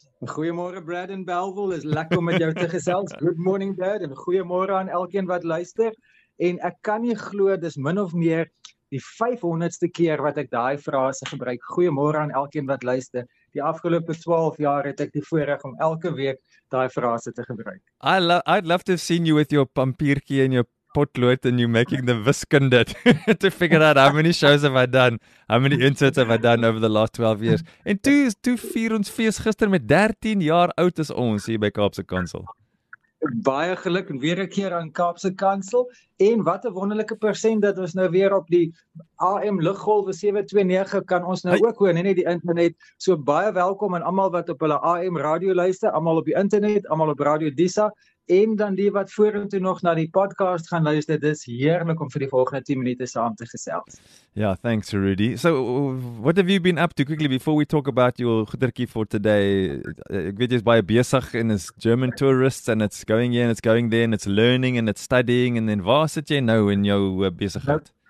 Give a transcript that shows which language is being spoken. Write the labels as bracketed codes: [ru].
[af] Goeiemôre Brad en Belville, is lekker om met jou te gesels. [en] Good morning [af] Brad en goeiemôre aan elkeen wat luister. En ek kan nie glo dis min of meer die 500ste keer wat ek daai frase gebruik. Goeiemôre aan elkeen wat luister. Die afgelope 12 jaar het ek die voorreg om elke week daai frase te gebruik. [en] I'd love to have seen you with your pampiertjie en your potlood and you making the wiskunde to figure out how many shows have I done, how many inserts have I done over the last 12 years. [af] En toe vier ons fees gister met 13 jaar oud is ons hier by Kaapse Kansel. Baie geluk en weer 'n keer aan Kaapse Kansel en wat 'n wonderlike persent dat ons nou weer op die AM luggolwe 729 kan ons nou ook hoor, nie die internet. So baie welkom aan almal wat op hulle AM radio luister, almal op die internet, almal op Radio Disa en dan die wat vorentoe nog na die podcast gaan luister. Dis heerlik om vir die volgende 10 minute saam te gesels. [en] Ja, thanks Rudy. So what have you been up to quickly before we talk about your goederkie for today? [af] Ek weet jy is baie besig en is [en] German tourists and it's going here and it's going there and it's learning and it's studying and then [af] waar sit jy nou in jou besigheid?